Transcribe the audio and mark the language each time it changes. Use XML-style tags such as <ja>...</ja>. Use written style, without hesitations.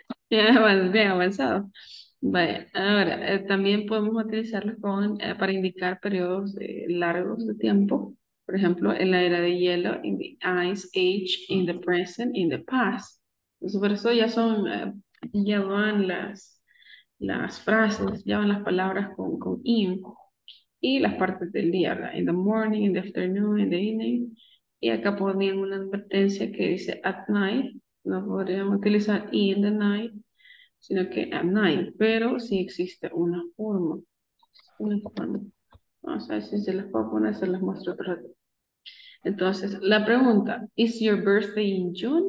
<es>Ya bien avanzado. Vale, ahora también podemos utilizarlo con, para indicar periodos largos de tiempo. Por ejemplo, en la era de hielo,</es> <en>in the ice age, in the present, in the past.</en> <es>Entonces, por eso ya son... ya van las frases, ya van las palabras con in y las partes del día, ¿verdad?</es> <en>In the morning, in the afternoon, in the evening.</en> <es>Y acá ponían una advertencia que dice</es> <en>at night.</en> <es>No podríamos utilizar</es> <en>in the night,</en> <es>sino que at night. Pero sí existe una forma. Una forma. Vamos a ver si se las puedo poner, se las muestro otro rato. Entonces, la pregunta,</es> <en>is your birthday in June?</en>